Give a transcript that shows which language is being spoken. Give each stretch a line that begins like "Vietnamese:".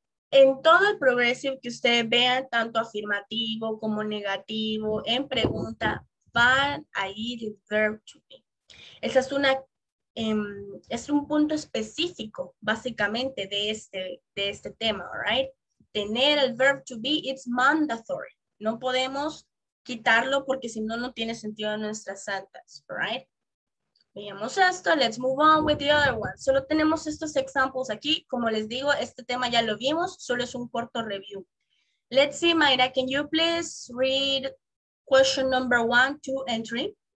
Spanish: En todo el progressive que ustedes vean, tanto afirmativo como negativo, en pregunta, van a ir el verb to be. Esa es una, es un punto específico, básicamente, de este tema, all right? Tener el verb to be,
English: it's mandatory.
Spanish: No podemos quitarlo porque si no, no tiene sentido en nuestras actas, all right? Veamos esto,
English: let's move on with the other one.
Spanish: Solo tenemos estos examples aquí. Como les digo, este tema ya lo vimos, solo es un corto review.
English: Let's see, Mayra, can you please read question number 1, 2, and 3.